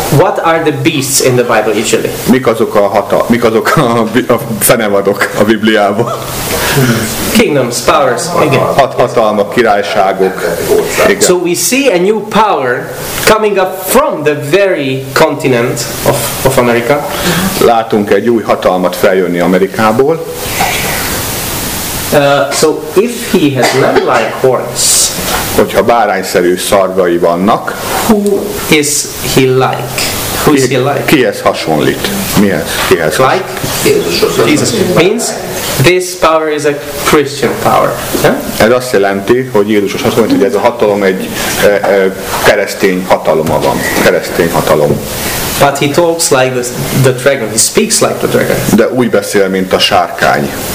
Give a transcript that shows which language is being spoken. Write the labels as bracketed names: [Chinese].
[English] What are the beasts in the Bible usually? [Hungarian] Mik azok a fenevadok a Bibliában? [English] Kingdoms, powers, again. [Hungarian] Hatalmak, királyságok. Igen. [English] So we see a new power coming up from the very continent of America. [Hungarian] Látunk egy új hatalmat feljönni Amerikából. [English] So if he has lamb-like horns, [Hungarian] hogyha bárányszerű szarvai vannak, [English] who is he like? Who is he like? [Hungarian] Kihez hasonlít? Mihez? Kihez [English] like? Jesus means this power is a Christian power. Yeah? [Hungarian] Ez azt jelenti, hogy Jézushoz hasonlít, hogy ez a hatalom egy keresztény hatalom van. Keresztény hatalom. [English] But he talks like the dragon. He speaks like the dragon. [Hungarian] De úgy beszél, mint a sárkány.